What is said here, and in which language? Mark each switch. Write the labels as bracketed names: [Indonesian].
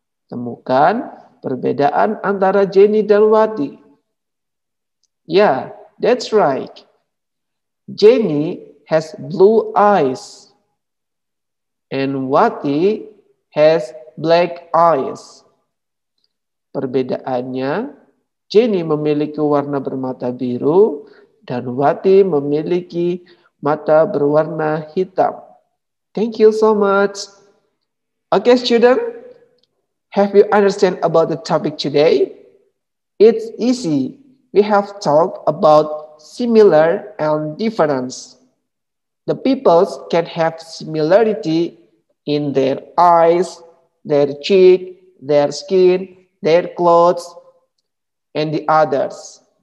[Indonesian] Temukan perbedaan antara Jenny dan Wati. [English] Yeah, that's right. Jenny has blue eyes and Wati has black eyes. [Indonesian] Perbedaannya, Jenny memiliki warna bermata biru dan Wati memiliki mata berwarna hitam. [English] Thank you so much. Okay, student, have you understand about the topic today? It's easy. We have talked about similar and difference. The people can have similarity in their eyes, their cheek, their skin, their clothes, and the others.